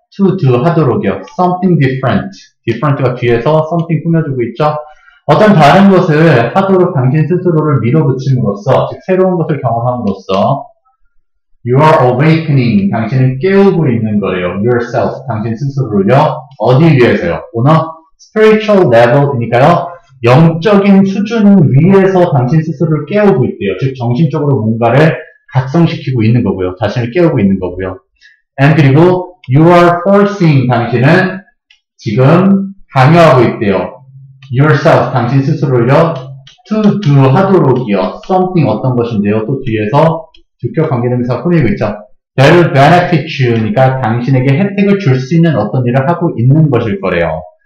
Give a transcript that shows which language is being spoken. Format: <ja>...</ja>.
<en>To do</en> <ko>하도록이요.</ko> <en>Something different.</en> <ko>Different가 뒤에서 something 꾸며주고 있죠. 어떤 다른 것을 하도록 당신 스스로를 밀어붙임으로써, 즉 새로운 것을 경험함으로써</ko> <en>You are awakening.</en> <ko>당신은 깨우고 있는 거예요. Yourself. 당신 스스로를요. 어디 위해서요?</ko> <en>On a spiritual level이니까요.</en> <ko>영적인 수준 위에서 당신 스스로를 깨우고 있대요. 즉, 정신적으로 뭔가를 각성시키고 있는 거고요. 자신을 깨우고 있는 거고요.</ko> <en>And</en> <ko>그리고</ko> <en>you are forcing.</en> <ko>당신은 지금 강요하고 있대요. Yourself. 당신 스스로를요.</ko> <en>To do</en> <ko>하도록이요. Something 어떤 것인데요. 또 뒤에서 주격 관계대명사 꾸미고 있죠.</ko> <en>That will benefit you</en> <ko>니까 당신에게 혜택을 줄수 있는 어떤 일을 하고 있는 것일 거래요.</ko>